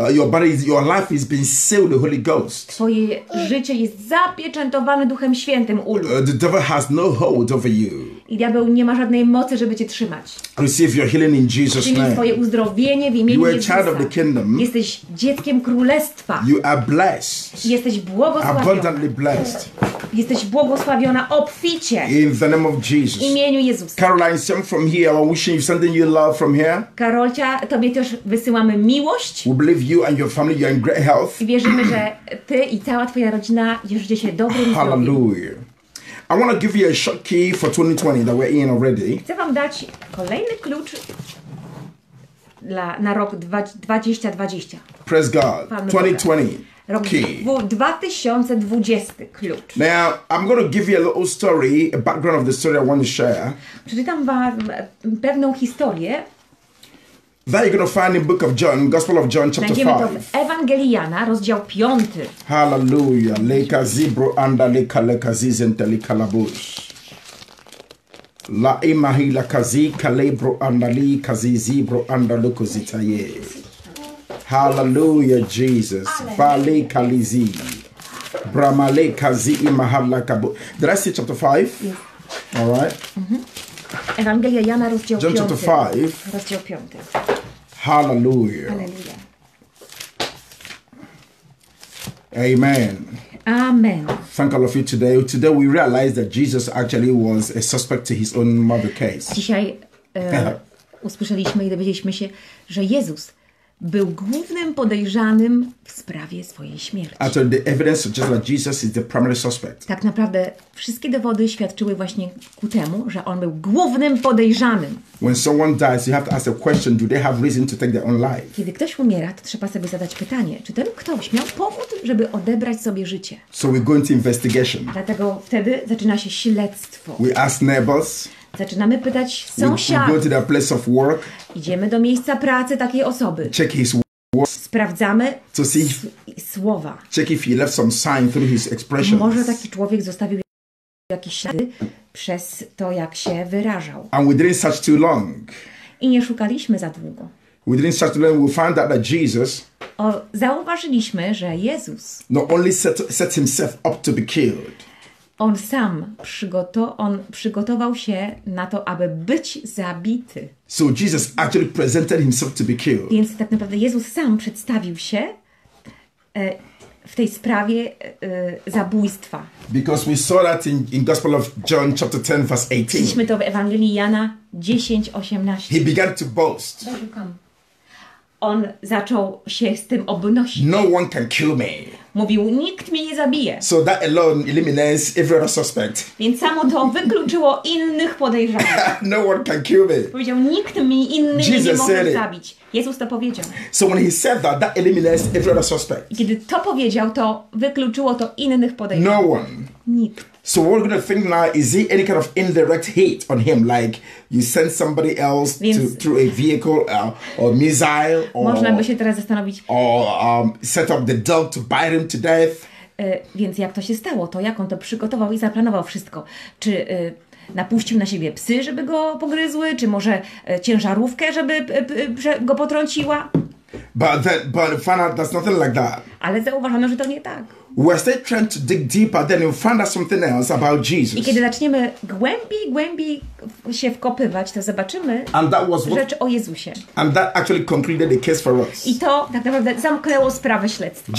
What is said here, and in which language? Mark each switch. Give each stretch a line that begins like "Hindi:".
English: Your body is, your life has been sealed the Holy Ghost.
Polish: Twoje życie jest zapieczętowane Duchem Świętym, Ulu.
English: The devil has no hold over you.
Polish: I diabeł nie ma żadnej mocy, żeby cię trzymać.
English: Receive your healing in Jesus' name.
Polish: Przyjmij swoje uzdrowienie w imieniu Jezusa.
English: You are child of the kingdom.
Polish: Jesteś dzieckiem królestwa.
English: You are blessed.
Polish: Jesteś błogosławiona.
English: Abundantly blessed.
Polish: Jesteś błogosławiona obficie.
English: In the name of Jesus.
Polish: W imieniu Jezusa.
English: Caroline, send from here. I'm wishing you something you love from here.
Polish: Karolcia, tobie też wysyłamy miłość.
English: We believe you and your family are in great health.
Polish: I wierzymy, że ty i cała twoja rodzina żyje się dobrym zdrowiem.
English: Hallelujah. I want to give you a short key for 2020 that we're in already.
Polish: Chcę wam dać kolejny klucz na rok 2020.
English: Praise God.
Polish: Panu 2020. Rok
English: key.
Polish: 2020 klucz.
English: Now, I'm going to give you a little story, a background of the story I want to share.
Polish: Przeczytam wam pewną historię.
English: That you're going to find in the book of John, Gospel of John, chapter 5.
Polish: Będziemy to w Ewangelii Jana, rozdział 5. Hallelujah. Leka zibro anda leka leka zizente leka labush. La imahi la kazi kalebro anda li kazi zibro anda luko zitaye. Hallelujah, Jesus. Bale kalizi. Brahma le kazi imahala kabu.
English: Did I say chapter 5? Yes. Alright.
Polish: Ewangelia Jana, rozdział
English: 5. John 5.
Polish: Rozdział 5.
English: Hallelujah. Hallelujah. Amen. Amen. Thank all of you today. Today we realize that Jesus actually was a suspect to his own mother case.
Polish: Dzisiaj usłyszeliśmy i dowiedzieliśmy się, że Jezus był głównym podejrzanym w sprawie swojej śmierci.
English: So the evidence suggests that Jesus is the primary suspect.
Polish: Tak naprawdę wszystkie dowody świadczyły właśnie ku temu, że on był głównym podejrzanym.
English: When someone dies, you have to ask a question: do they have reason to take their own life?
Polish: Kiedy ktoś umiera, to trzeba sobie zadać pytanie: czy ten ktoś miał powód, żeby odebrać sobie życie?
English: So we go into investigation.
Polish: Dlatego wtedy zaczyna się śledztwo.
English: We ask neighbors.
Polish: Zaczynamy pytać sąsiadów.
English: We go to the place of work.
Polish: Idziemy do miejsca pracy takiej osoby.
English: Check his words.
Polish: Sprawdzamy
English: to see if,
Polish: słowa.
English: Check if he left some sign through his expressions.
Polish: Może taki człowiek zostawił jakieś ślady przez to, jak się wyrażał.
English: And we didn't search too long.
Polish: I nie szukaliśmy za długo.
English: We didn't search too long. We found out that Jesus.
Polish: Zauważyliśmy, że Jezus.
English: Not only set himself up to be killed.
Polish: On sam przygotował się na to, aby być zabity.
English: So Jesus actually presented himself to be killed.
Polish: Więc tak naprawdę Jezus sam przedstawił się w tej sprawie zabójstwa.
English: Because we saw that in Gospel of John chapter 10 verse 18.
Polish: Widzieliśmy to w Ewangelii Jana 10:18.
English: He began to boast.
Polish: On zaczął się z tym obnosić.
English: No one can kill me.
Polish: Mówił, nikt mnie nie zabije.
English: So that alone eliminates every other suspect.
Polish: Więc samo to wykluczyło innych podejrzanych.
English: No one can kill me.
Polish: Powiedział, nikt mi inny
English: Jesus
Polish: nie może zabić. Jezus to powiedział.
English: So when he said that, that eliminates every other suspect.
Polish: Kiedy to powiedział, to wykluczyło to innych podejrzanych.
English: No one.
Polish: Nikt.
English: So what we're gonna think now is he any kind of indirect hit on him, like you send somebody else to, through a vehicle or missile or
Polish: można by się teraz zastanowić
English: or set up the dog to bite him to death.
Polish: Więc jak to się stało, to jak on to przygotował i zaplanował wszystko? Czy napuścił na siebie psy, żeby go pogryzły, czy może ciężarówkę, żeby go potrąciła?
English: But find out that's nothing like that.
Polish: Ale zauważono, że to nie tak.
English: We're still trying to dig deeper, then you'll find out something else about Jesus.
Polish: I kiedy zaczniemy głębiej się wkopywać, to zobaczymy rzecz o Jezusie.
English: And that actually concluded the case for us.
Polish: I to tak naprawdę zamknęło sprawę śledztwa.